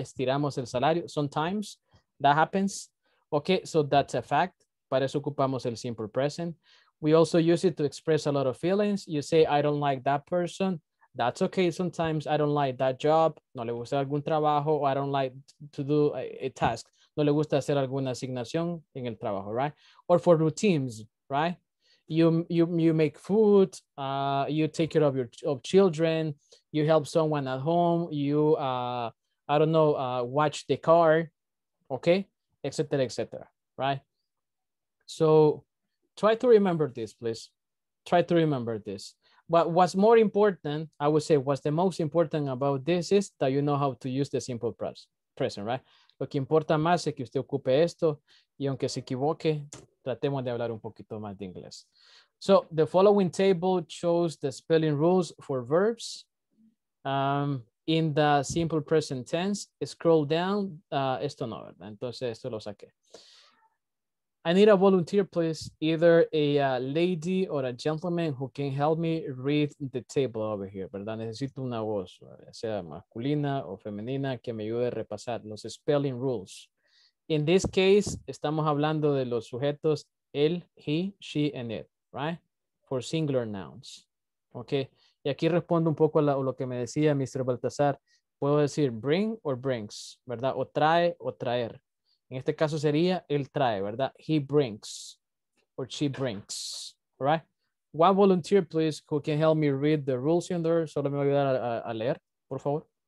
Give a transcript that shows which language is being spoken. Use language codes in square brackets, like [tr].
[es] Estiramos el salario. [en] Sometimes that happens. Okay, so that's a fact. [es] Para eso ocupamos el [en] simple present. We also use it to express a lot of feelings. You say, I don't like that person. That's okay. Sometimes I don't like that job. [es] No le gusta algún trabajo. [en] Or I don't like to do a task. [es] No le gusta hacer alguna asignación en el trabajo, right? [en] Or for routines, right? You make food. You take care of your children. You help someone at home. You, watch the car, okay? Et cetera, et cetera, right? So try to remember this, please. Try to remember this. But what's more important, I would say, what's the most important about this is that you know how to use the simple present, right? [es] Lo que importa más es que usted ocupe esto y aunque se equivoque, tratemos de hablar un poquito más de inglés. [en] So the following table shows the spelling rules for verbs. In the simple present tense, scroll down. [es] Esto no, [en] ¿verdad? [es] Entonces esto lo saqué. [en] I need a volunteer, please. Either a lady or a gentleman who can help me read the table over here, ¿verdad? [es] Necesito una voz, ¿verdad? Sea masculina o femenina, que me ayude a repasar los spelling rules. [en] In this case, [es] estamos hablando de los sujetos él, [en] he, she, and it, right? For singular nouns, okay? [es] Y aquí respondo un poco a lo que me decía Mr. Baltazar. Puedo decir bring or brings, ¿verdad? O trae o traer. En este caso sería él trae, ¿verdad? [en] He brings or she brings, right? One volunteer, please, who can help me read the rules in there. [es] Solo me va a ayudar a leer, por favor.